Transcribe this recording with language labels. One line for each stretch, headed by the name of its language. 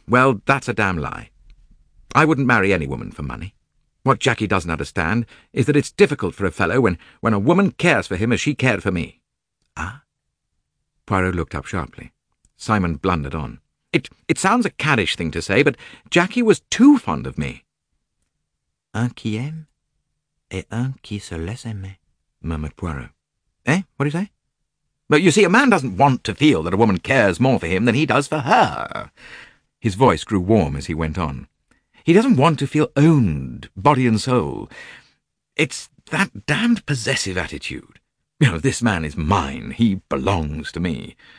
English: Well, that's a damn lie. I wouldn't marry any woman for money. What Jackie doesn't understand is that it's difficult for a fellow when a woman cares for him as she cared for me. Ah? Poirot looked up sharply. Simon blundered on. It sounds a caddish thing to say, but Jackie was too fond of me.
French: Un qui aime et un qui se laisse aimer,
English: murmured Poirot. Eh, what do you say? But you see, a man doesn't want to feel that a woman cares more for him than he does for her. His voice grew warm as he went on. He doesn't want to feel owned, body and soul. It's that damned possessive attitude. You know, this man is mine, he belongs to me.